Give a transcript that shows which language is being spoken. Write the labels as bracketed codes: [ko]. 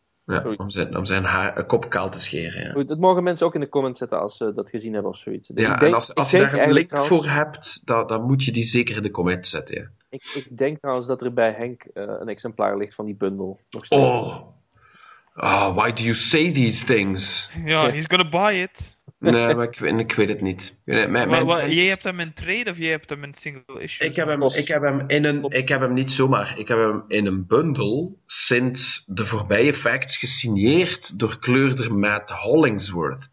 [nl] Ja, om zijn haar, kop kaal te scheren. Ja. Goed, dat mogen mensen ook in de comments zetten als ze dat gezien hebben of zoiets. Dus ja, als je daar een link voor hebt, dan moet je die zeker in de comments zetten, ja. Ik denk trouwens dat er bij Henk een exemplaar ligt van die bundel. Oh. [en] Why do you say these things? Ja, yeah, he's gonna buy it. [nl] Nee, maar ik weet het niet. Jij hebt hem in trade of jij hebt hem in single issue? Ik heb hem niet zomaar. Ik heb hem in een bundel sinds de voorbije facts gesigneerd door kleurder Matt Hollingsworth.